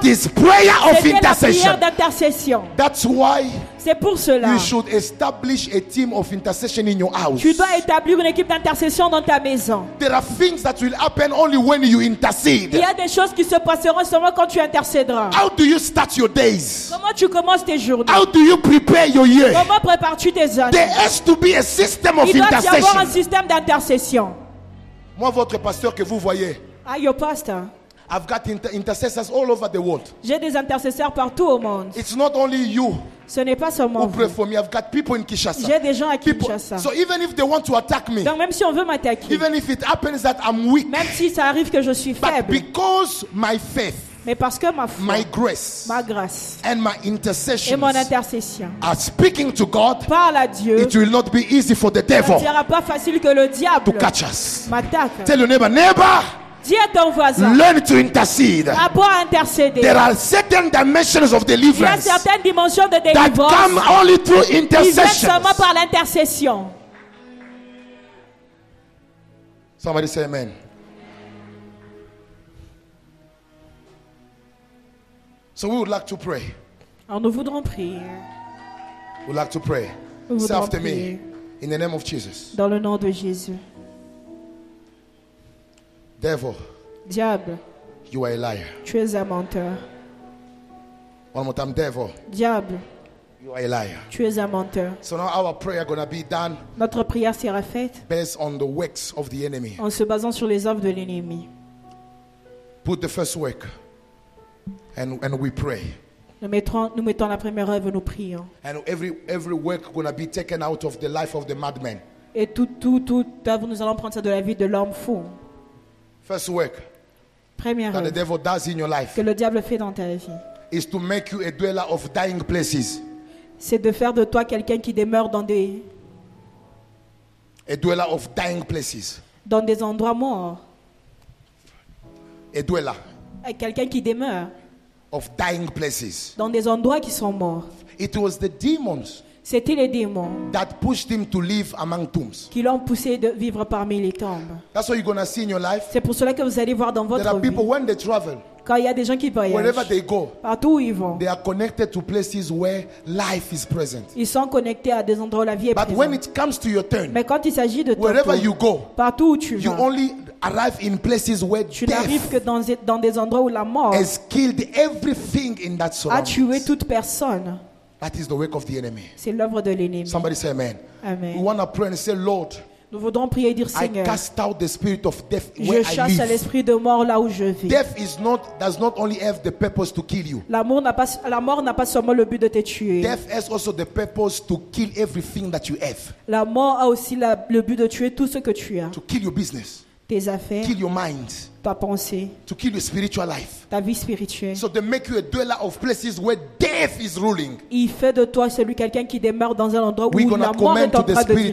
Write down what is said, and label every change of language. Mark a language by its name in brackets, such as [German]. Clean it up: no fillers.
[English] it is prayer of intercession. [French] La prière d'intercession. [English] That's why. [French] C'est pour cela. [English] You should establish a team of intercession in your house. [French] Tu dois établir une équipe d'intercession dans ta maison. [English] There are things that will happen only when you intercede. [French] Il y a des choses qui se passeront seulement quand tu intercéderas. [English] How do you start your days? [French] Comment tu commences tes journées? [English] How do you prepare your year? [French] Comment prépares-tu tes années? [English] There has to be a system of intercession. [French] Il doit y avoir un système d'intercession. Moi, votre pasteur que vous voyez. [English] Ah, your pastor. I've got intercessors all over the world. [French] J'ai des intercesseurs partout au monde. [English] It's not only you. [French] Ce n'est pas seulement [English] who pray for me. I've got people in Kinshasa. [French] J'ai des gens à Kinshasa. [English] So even if they want to attack me, [French] donc même si on veut m'attaquer, [English] even if it happens that I'm weak, [French] même si ça arrive que je suis faible, [English] but because my faith, [French] mais parce que ma foi, [English] my grace, [French] ma grâce, [English] and my intercessions, [French] et mon intercession, [English] are speaking to God, [French] parle à Dieu, [English] it will not be easy for the devil, [French] ça ne sera pas facile que le diable [English] to catch us, [French] m'attaque. [English] Tell your neighbor, neighbor, [French] dis à ton voisin, [English] learn to intercede. [French] Apprends à intercéder. [English] There are certain dimensions of deliverance. [French] Il y a certaines dimensions de délivrance [English] that come only through intercession. [French] Qui viennent seulement par l'intercession. [English] Somebody say amen. So we would like to pray. [French] Alors nous voudrons prier. [English] We'd like to pray. Say after me, in the name of Jesus. [French] Dans le nom de Jésus. [English] Devil, [French] diable, [English] you are a liar. [French] Tu es un menteur. [English] One more time, devil, [French] diable, [English] you are a liar. [French] Tu es un menteur. [English] So now our prayer gonna be done. [French] Notre prière sera faite. [English] Based on the works of the enemy. [French] En se basant sur les œuvres de l'ennemi. [English] Put the first work, and we pray. [French] Nous mettons la première œuvre, nous prions. [English] And every work gonna be taken out of the life of the madman. [French] Et tout œuvre, nous allons prendre ça de la vie de l'homme fou. [English] First work [French] première [English] that the devil does in your life [French] que le diable fait dans ta vie [English] is to make you a dweller of dying places. [French] C'est de faire de toi quelqu'un qui demeure dans des [English] a dweller of dying places. [French] Dans des endroits morts. [English] A dweller. [French] Quelqu'un qui demeure [English] of dying places. [French] Dans des endroits qui sont morts. [English] It was the demons. [French] C'était les démons [English] that pushed him to live among tombs. [French] Qui l'ont poussé de vivre parmi les tombes. [English] That's what you're gonna see in your life. [French] C'est pour cela que vous allez voir dans votre [English] there are People when they travel, [French] quand il y a des gens qui voyagent, [English] wherever they go, [French] partout où ils vont, [English] they are connected to places where life is present. [French] Ils sont connectés à des endroits où la vie est [English] but [French] présente. [English] But when it comes to your turn, [French] mais quand il s'agit de [English] wherever [French] ton [English] you [French] tour, [English] go, [French] partout où tu [English] you [French] vas, [English] only arrive in places where [French] tu n'arrives que dans des endroits où la mort [English] has killed everything in that [French] a tué toute personne. [English] That is the work of the enemy. [French] C'est l'œuvre de l'ennemi. [English] Somebody say amen. Amen. We want to pray and say, Lord, [French] nous voudrons prier et dire, Seigneur, [English] I cast out the spirit of death where I live. [French] Je chasse l'esprit de mort là où je vis. [English] Death is not does not only have the purpose to kill you. [French] La mort n'a pas seulement le but de te tuer. [English] Death has also the purpose to kill everything that you have. [French] La mort a aussi le but de tuer tout ce que tu as. [English] To kill your business. [French] Tes affaires. [English] Kill your mind. [French] Ta pensée. [English] To kill your spiritual life. [French] Ta vie spirituelle. [English] So they make you a dweller of places where death is ruling. [French] Il fait de toi celui quelqu'un qui demeure dans un endroit où [English] we're [French] la mort est en train de diriger.